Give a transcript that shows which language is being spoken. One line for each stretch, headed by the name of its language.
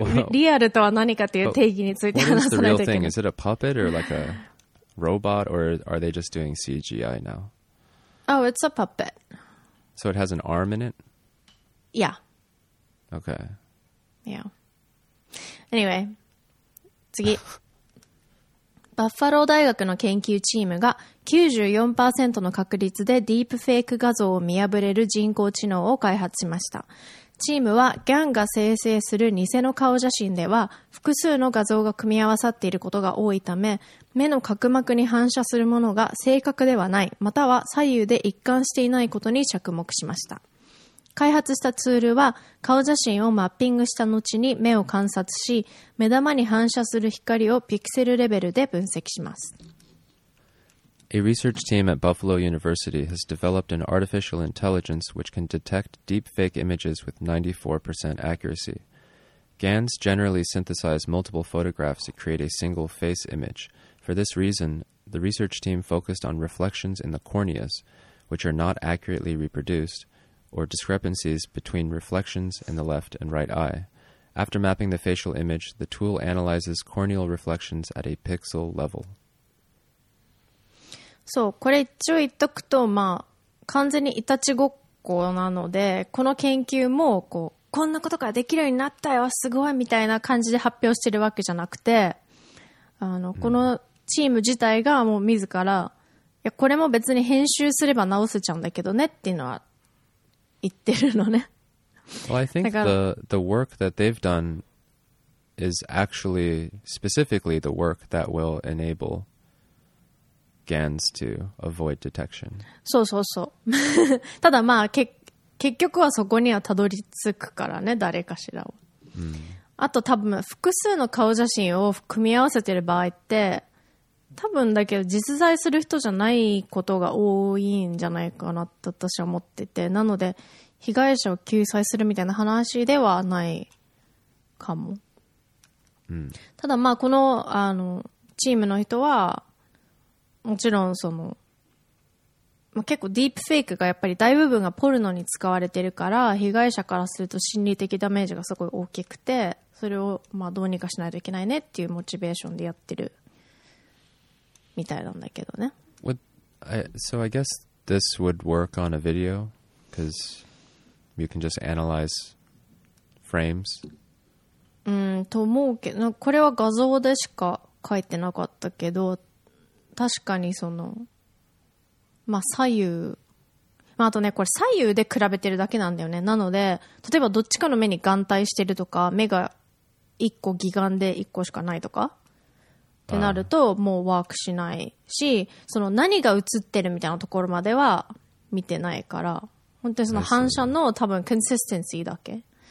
Japanese: リアルとは何かという定義について話さないといけない。
English: What is the real thing? Is it a puppet or like a robot or are they just doing CGI now? Oh, it's a puppet. So it has an arm in it? Yeah. Okay. Yeah. Anyway,
Japanese: 次。バッファロー大学の研究チームが 94% の確率でディープフェイク画像を見破れる人工知能を開発しました。チームはギャンが生成する偽の顔写真では複数の画像が組み合わさっていることが多いため、目の角膜に反射するものが正確ではない、または左右で一貫していないことに着目しました。開発したツールは顔写真をマッピングした後に目を観察し、目玉に反射する光をピクセルレベルで分析します。
English: A research team at Buffalo University has developed an artificial intelligence which can detect deepfake images with 94% accuracy. GANs generally synthesize multiple photographs to create a single face image. For this reason, the research team focused on reflections in the corneas, which are not accurately reproduced, or discrepancies between reflections in the left and right eye. After mapping the facial image, the tool analyzes corneal reflections at a pixel level.
Japanese: そう、これ一応言っとくと、まあ、完全にいたちごっこなので、この研究も、こう、こんなことができるようになったよ、すごいみたいな感じで発表してるわけじゃなくて、このチーム自体がもう自ら、いや、これも別に編集すれば直せちゃうんだけどねっていうのは言ってるのね。
English: Well, I think the work that they've done is actually specifically the work that will enableGANs to avoid detection.
Japanese: そうそうそう。ただまあ結局はそこにはたどり着くからね、誰かしらを。あと多分複数の顔写真を組み合わせてる場合って、多分だけど実在する人じゃないことが多いんじゃないかなって私は思ってて、なので被害者を救済するみたいな話ではないかも。ただまあこの、チームの人は、もちろんその、まあ、結構ディープフェイクがやっぱり大部分がポルノに使われてるから被害者からすると心理的ダメージがすごい大きくて、それをまあどうにかしないといけないねっていうモチベーションでやってるみたいなんだけどね。
English: So I guess this would work on a video because you can just analyze frames.
Japanese: と思うけど、これは画像でしか書いてなかったけど、確かにそのまあ左右、まあ、あとねこれ左右で比べてるだけなんだよね。なので例えばどっちかの目に眼帯してるとか、目が一個義眼で一個しかないとかってなるともうワークしないし、その何が映ってるみたいなところまでは見てないから、本当にその反射の多分コンシステンシーだけ、